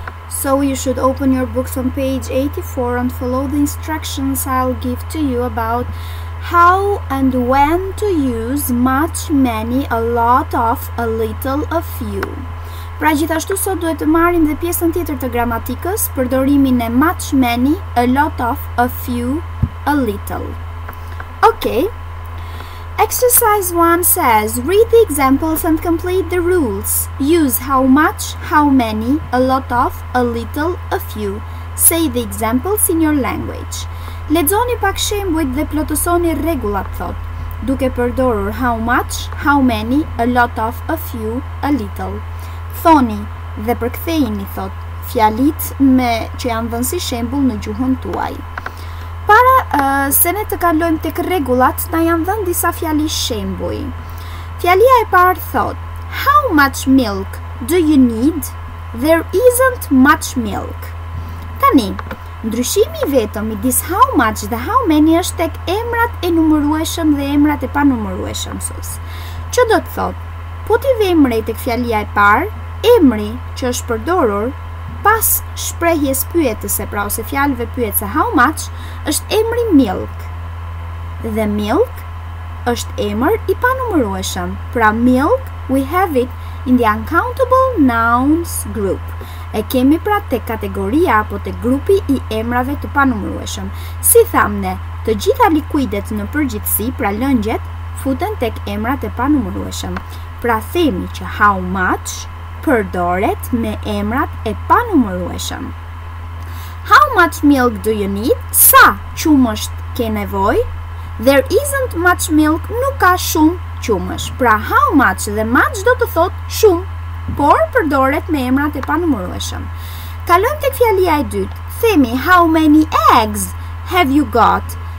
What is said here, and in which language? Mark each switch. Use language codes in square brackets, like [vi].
[en] So you should open your books on page 84 and follow the instructions I'll give to you about how and when to use much, many, a lot of, a little, a few. [sq] Pra gjithashtu sot duhet të marrim dhe pjesën tjetër të gramatikës për përdorimin e much, many, a lot of, a few, a little. [en] Okay. Exercise 1 says, read the examples and complete the rules. Use how much, how many, a lot of, a little, a few. Say the examples in your language. [sq] Lexoni pak shembujt dhe plotësoni rregullat thot, duke përdorur how much, how many, a lot of, a few, a little. Thoni dhe përkthejini thot, fjalit me që janë dhënë si shembull në gjuhën tuaj. Para se ne të kalojmë tek rregullat, na janë dhënë disa fjali shembuj. Fjalia e parë thot, [en] how much milk do you need? There isn't much milk. [sq] Tani, ndryshimi vetëm midis how much dhe how many është tek emrat e numërueshëm dhe emrat e panumërueshëm sus. Që do të thot, po ti vemrej tek fjalia e parë, emri që është përdorur, pas shprehjes pyetëse, pra ose fjalëve pyetëse how much, është emri milk. Dhe milk është emër i panumërueshëm. [en] Pra milk, we have it in the uncountable nouns group. [sq] E kemi pra te kategoria apo te grupi i emrave të panumërueshëm. Si thamne, të gjitha likuidet në përgjithsi, pra lëngjet, futen tek emrat e panumërueshëm. Pra themi që how much përdoret me emrat e panumërueshëm. [en] How much milk do you need? [sq] Sa qumësh ke nevoj? [en] There isn't much milk, [sq] nuk ka shumë qumësh. Pra how much dhe much do të thot shumë, por përdoret me emrat e panumërueshëm. Kalon tek fjalia e dytë, themi [en] how many eggs have you got?